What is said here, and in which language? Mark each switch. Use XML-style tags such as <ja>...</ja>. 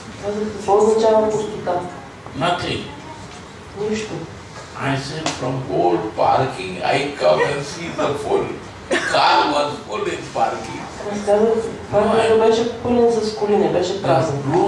<bg>Какво означава пустота?</bg> <en>Nothing.</en> <bg>Нищо.</bg> <en>I said, from old parking, I come and see the full. Car was full in parking.</en> <bg>Паркингът беше пълен с коли, не беше празен.</bg>